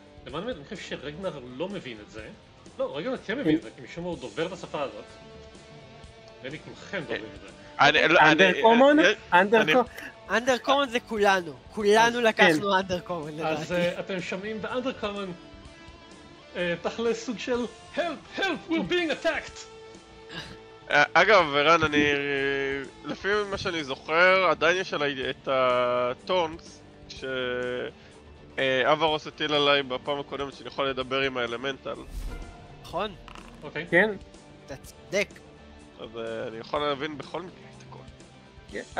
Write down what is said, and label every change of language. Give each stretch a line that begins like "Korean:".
Hebrew: למען האמת, אני חושב שרגנר לא מבין את זה. לא, רגנר כן מבין את זה, כי משום הוא דובר את השפה הזאת. ואני כמכם דוברים את זה. אנדר קומן זה כולנו. כולנו לקחנו אנדר קומן. אז אתם שומעים באנדר קומן. תכלס סוג של
English: help, help, we're being attacked!
Hebrew: אגב, ורן, אני... לפי מה שאני זוכר, עדיין יש עליי את הטונס שאברוס הטיל עליי בפעם הקודמת שאני יכול לדבר עם האלמנטל. נכון. אוקיי. כן. אתה צדק. אז אני יכול להבין בכל מקרה את הכל.